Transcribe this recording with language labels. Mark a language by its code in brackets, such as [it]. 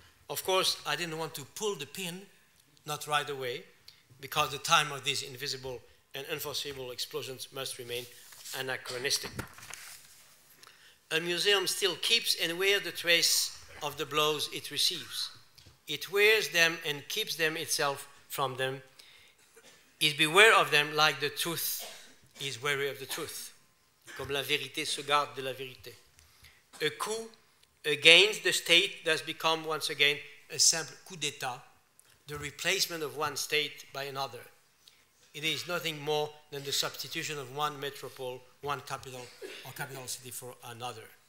[en] Of course, I didn't want to pull the pin, not right away, because the time of these invisible and unforeseeable explosions must remain anachronistic. A museum still keeps and wears the trace of the blows it receives. It wears them and keeps them itself from them. It beware of them like the truth is wary of the truth. [fr] Comme la vérité se garde de la vérité. [en] A coup against the state does become once again a simple coup d'état, the replacement of one state by another. It is nothing more than the substitution of one metropole, one capital, or capital city for another.